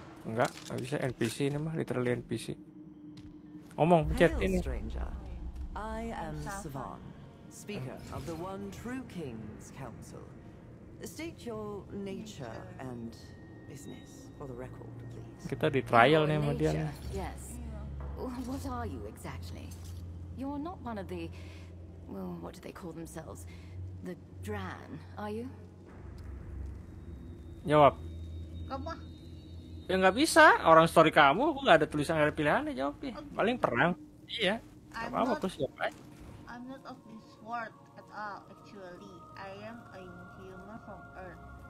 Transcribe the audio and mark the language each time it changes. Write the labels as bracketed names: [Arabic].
[Indonesian] Enggak, nggak bisa NPC ini mah, literally NPC. Omong, chat ini. [English] I am Savan, speaker of the one true king's council. State your nature and business for the record, please. [Indonesian] Kita di trial nih sama dia. [English] Yes. What are you exactly? You're not one of the, well, what do they call themselves? The Dran, are you? [Indonesian] Jawab. Apa? Ya nggak bisa, orang story kamu, aku nggak ada tulisan, nggak ada pilihan, ya jawab ya. Paling perang. Iya. Apa-apa, aku siap aja. [English] I'm not of this world at all, actually. I am a human from Earth.